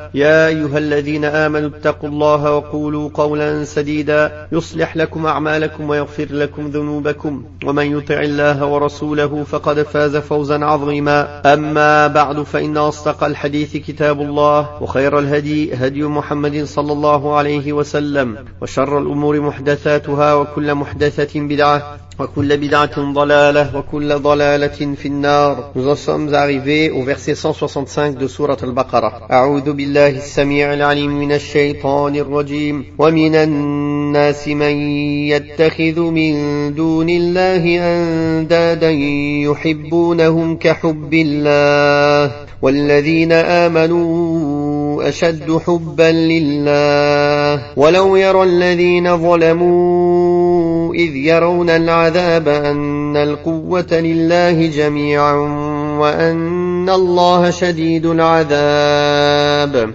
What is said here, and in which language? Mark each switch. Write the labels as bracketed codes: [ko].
[ar] يا أيها الذين آمنوا اتقوا الله وقولوا قولا سديدا يصلح لكم أعمالكم ويغفر لكم ذنوبكم ومن يطع الله ورسوله فقد فاز فوزا عظيما. أما بعد فإن أصدق الحديث كتاب الله وخير الهدي هدي محمد صلى الله عليه وسلم وشر الأمور محدثاتها وكل محدثة بدعة وكل بدعة ضلالة وكل ضلالة في النار. [fr] Nous en sommes arrivés au verset 165 de sourate al-Baqarah. [ar] أعوذ بالله السميع العليم من الشيطان الرجيم ومن الناس من يتخذ من دون الله أندادا يحبونهم كحب الله والذين آمنوا أشد حبا لله ولو يرى الذين ظلموا إذ يرون العذاب أن القوة لله جميعا وأن الله شديد العذاب.